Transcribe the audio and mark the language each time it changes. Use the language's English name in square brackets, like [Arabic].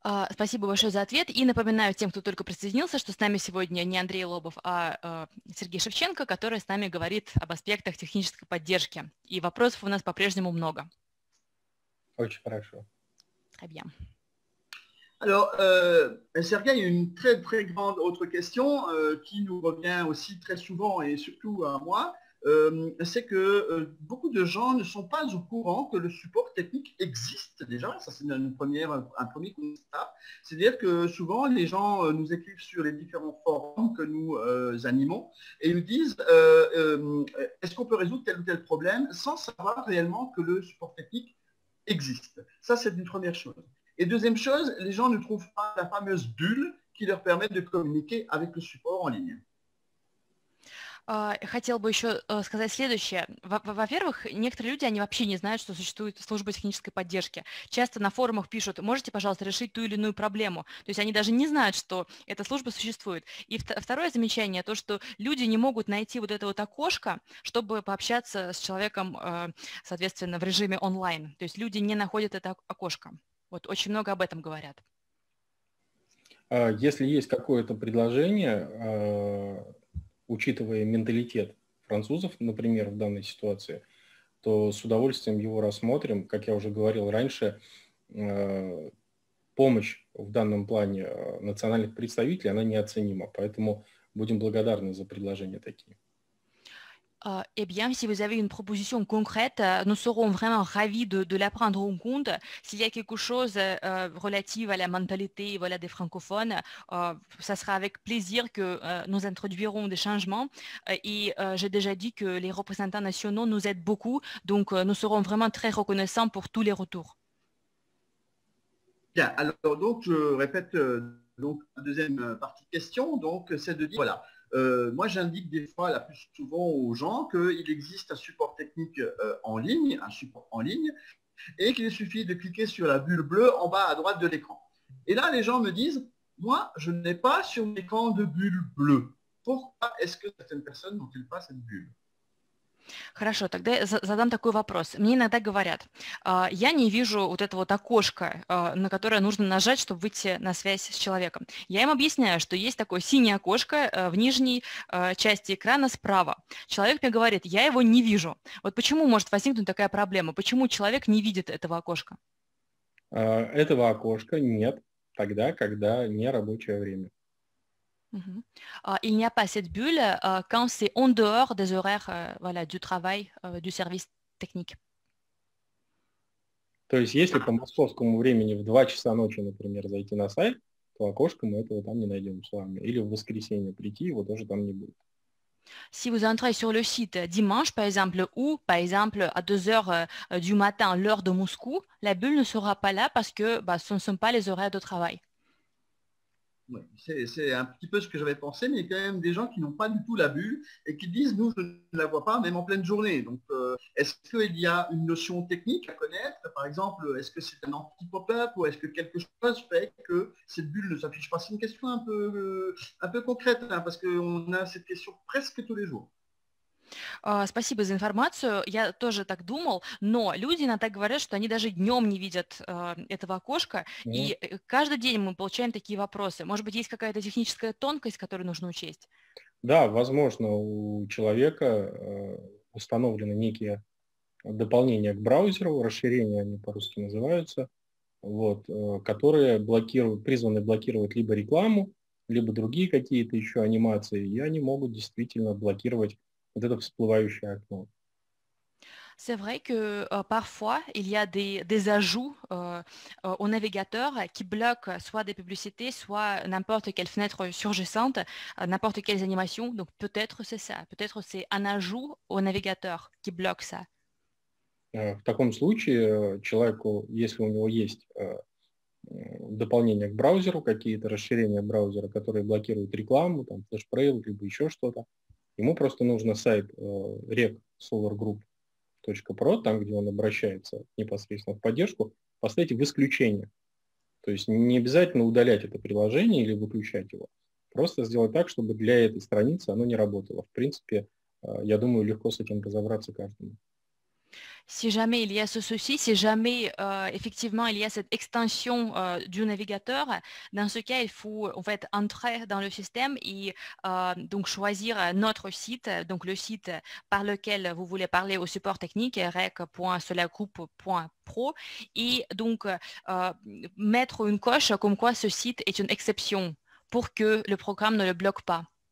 [Russian] Спасибо большое за ответ. И напоминаю тем, кто только присоединился, что с нами сегодня не Андрей Лобов, а Сергей Шевченко, который с нами говорит об аспектах технической поддержки. И вопросов у нас по-прежнему много. Очень хорошо. [French] Très bien. Alors, Sergei, une très très grande autre question qui nous revient aussi très souvent et surtout à moi, c'est que beaucoup de gens ne sont pas au courant que le support technique existe déjà. Ça, c'est un premier constat. C'est-à-dire que souvent, les gens nous écrivent sur les différents forums que nous animons et nous disent est-ce qu'on peut résoudre tel ou tel problème sans savoir réellement que le support technique existe. Ça, c'est une première chose. Et deuxième chose, les gens ne trouvent pas la fameuse bulle qui leur permet de communiquer avec le support en ligne. [Russian] Хотел бы еще сказать следующее. Во-первых, некоторые люди, они вообще не знают, что существует служба технической поддержки. Часто на форумах пишут, можете, пожалуйста, решить ту или иную проблему. То есть они даже не знают, что эта служба существует. И второе замечание, то, что люди не могут найти вот это вот окошко, чтобы пообщаться с человеком, соответственно, в режиме онлайн. То есть люди не находят это окошко. Вот очень много об этом говорят. Если есть какое-то предложение, учитывая менталитет французов, например, в данной ситуации, то с удовольствием его рассмотрим. Как я уже говорил раньше, помощь в данном плане национальных представителей, она неоценима. Поэтому будем благодарны за предложения такие. [French] Eh bien, si vous avez une proposition concrète, nous serons vraiment ravis de la prendre en compte. S'il y a quelque chose relative à la mentalité voilà, des francophones, ça sera avec plaisir que nous introduirons des changements. Et j'ai déjà dit que les représentants nationaux nous aident beaucoup, donc nous serons vraiment très reconnaissants pour tous les retours. Bien, alors donc je répète donc la deuxième partie de question, donc c'est de dire, voilà. Moi, j'indique des fois, la plus souvent aux gens, qu'il existe un support technique en ligne, un support en ligne, et qu'il suffit de cliquer sur la bulle bleue en bas à droite de l'écran. Et là, les gens me disent, moi, je n'ai pas sur mon écran de bulle bleue. Pourquoi est-ce que certaines personnes n'ont-elles pas cette bulle? [Russian] Хорошо, тогда я задам такой вопрос. Мне иногда говорят, я не вижу вот это вот окошко, на которое нужно нажать, чтобы выйти на связь с человеком. Я им объясняю, что есть такое синее окошко в нижней части экрана справа. Человек мне говорит, я его не вижу. Вот почему может возникнуть такая проблема? Почему человек не видит этого окошка? Этого окошка нет тогда, когда не рабочее время. [French] Il n'y a pas cette bulle quand c'est en dehors des horaires voilà, du travail, du service technique. [Russian] То есть, если по московскому времени в 2 часа ночи, например, зайти на сайт, то окошко мы этого там не найдем с вами. Или в воскресенье прийти, его тоже там не будет. [French] Si vous entrez sur le site dimanche, par exemple, ou par exemple à 2h du matin, l'heure de Moscou, la bulle ne sera pas là parce que bah, ce ne sont pas les horaires de travail. Oui, c'est un petit peu ce que j'avais pensé, mais il y a quand même des gens qui n'ont pas du tout la bulle et qui disent, nous, je ne la vois pas, même en pleine journée. Donc, est-ce qu'il y a une notion technique à connaître? Par exemple, est-ce que c'est un anti-pop-up ou est-ce que quelque chose fait que cette bulle ne s'affiche pas? C'est une question un peu concrète, hein, parce qu'on a cette question presque tous les jours. [Russian] Спасибо за информацию. Я тоже так думал, но люди иногда говорят, что они даже днем не видят этого окошка. Mm-hmm. И каждый день мы получаем такие вопросы. Может быть, есть какая-то техническая тонкость, которую нужно учесть? Да, возможно, у человека установлены некие дополнения к браузеру, расширения они по-русски называются, вот, которые блокируют, призваны блокировать либо рекламу, либо другие какие-то еще анимации, и они могут действительно блокировать вот это всплывающее окно. [French] C'est vrai que parfois, il y a des ajouts au navigateur qui bloquent soit des publicités, soit n'importe quelle fenêtre surgissante, n'importe quelles animations. Donc peut-être c'est ça, peut-être c'est un ajout au navigateur qui bloque ça. [Russian] В таком случае, человеку, если у него есть дополнение к браузеру, какие-то расширения браузера, которые блокируют рекламу, там, флешпрейл, либо еще что-то, ему просто нужно сайт regsolargroup.pro, там, где он обращается непосредственно в поддержку, поставить в исключение. То есть не обязательно удалять это приложение или выключать его. Просто сделать так, чтобы для этой страницы оно не работало. В принципе, я думаю, легко с этим разобраться каждому. [French] Si jamais il y a ce souci, si jamais effectivement il y a cette extension du navigateur, dans ce cas, il faut en fait entrer dans le système et donc choisir notre site, donc le site par lequel vous voulez parler au support technique, rec.solargroup.pro, et donc mettre une coche comme quoi ce site est une exception pour que le programme ne le bloque pas.